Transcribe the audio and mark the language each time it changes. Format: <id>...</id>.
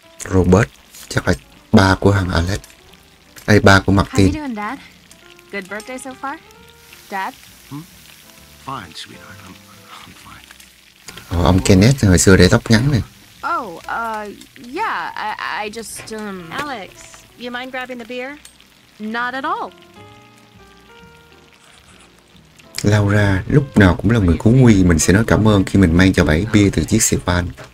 <vi>Robert, chắc là ba của thằng Alex. Ê, ba của Mạc Tiên.</vi> <en>How are you doing, Dad? Good birthday so far? Dad? Hmm? Fine, sweetheart. I'm fine.</en> <vi>Oh, ông Kenneth hồi xưa để tóc ngắn này.</vi> <en>Oh, yeah, I just, Alex, you mind grabbing the beer? Not at all.</en> <vi>Laura, lúc nào cũng là người cứu nguy, mình sẽ nói cảm ơn khi mình mang cho bảy bia từ chiếc xe van.</vi>